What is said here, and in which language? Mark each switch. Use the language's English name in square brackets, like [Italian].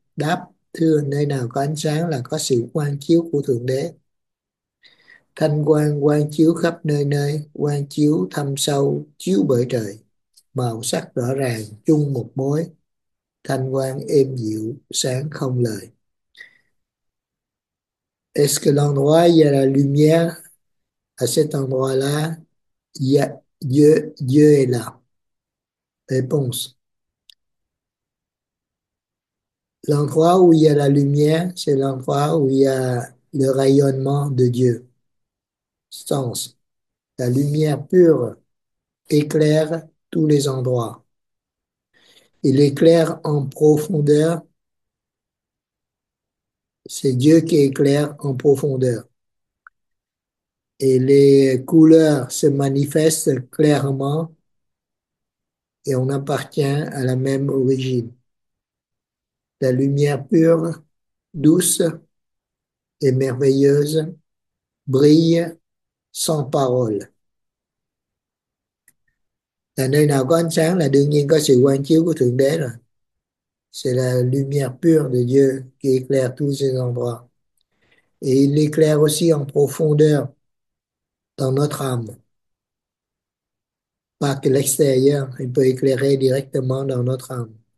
[Vietnamese] Đáp: Thưa, nơi nào có ánh sáng là có sự quang chiếu của Thượng Đế. Thanh quang quang chiếu khắp nơi nơi, quang chiếu thâm sâu, chiếu bởi trời. Màu sắc rõ ràng, chung một mối. Thanh quang êm dịu, sáng không lời. [French] Est-ce que l'endroit où il y a la lumière, à cet endroit-là, Dieu est là? Réponse. L'endroit où il y a la lumière, c'est l'endroit où il y a le rayonnement de Dieu. Sens. La lumière pure éclaire tous les endroits. Il éclaire en profondeur. C'est Dieu qui éclaire en profondeur. Et les couleurs se manifestent clairement et on appartient à la même origine. La lumière pure, douce et merveilleuse brille sans parole. [Vietnamese] Là, nơi nào có ánh sáng là đương nhiên có sự quang chiếu của Thượng Đế rồi. [French] C'est la lumière pure de Dieu qui éclaire tous ces endroits. Et il l'éclaire aussi en profondeur dans notre âme. Pas que l'extérieur, il peut éclairer directement dans notre âme.